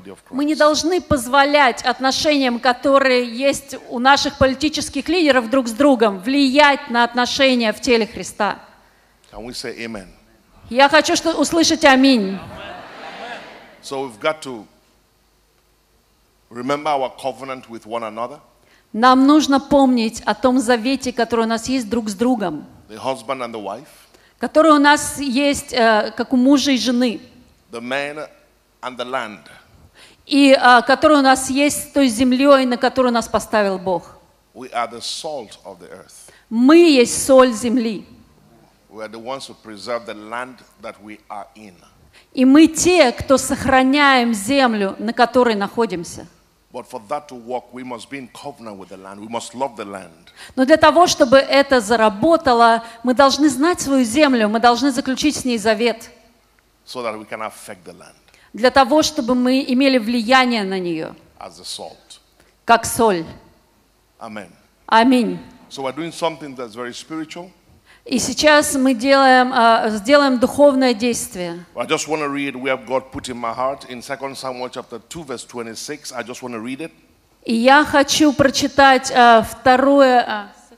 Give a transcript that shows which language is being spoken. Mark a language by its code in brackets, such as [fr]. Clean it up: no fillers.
[ru] Мы не должны позволять отношениям, которые есть у наших политических лидеров друг с другом, влиять на отношения в теле Христа. [en] Can we say amen? [ru] Я хочу услышать аминь. [en] So we've got to remember our covenant with one another. [ru] Нам нужно помнить о том завете, который у нас есть друг с другом. [en] The husband and the wife. [ru] Который у нас есть как у мужа и жены. [en] The man and the land. [ru] И который у нас есть с той землей, на которую нас поставил Бог. [en] We are the salt of the earth. [ru] Мы есть соль земли. [en] We are the ones who preserve the land that we are in. [ru] И мы те, кто сохраняем землю, на которой находимся. Но для того, чтобы это заработало, мы должны знать свою землю, мы должны заключить с ней завет. [en] So that we can affect the land. [ru] Для того, чтобы мы имели влияние на нее. [en] As the salt. [ru] Как соль. Аминь. [en] So we're doing something that's very spiritual. [ru] И сейчас мы делаем, сделаем духовное действие. [en] I just want to read, we have God put in my heart in 2 Samuel chapter 2, verse 26. I just want to read it. [ru] И я хочу прочитать второе.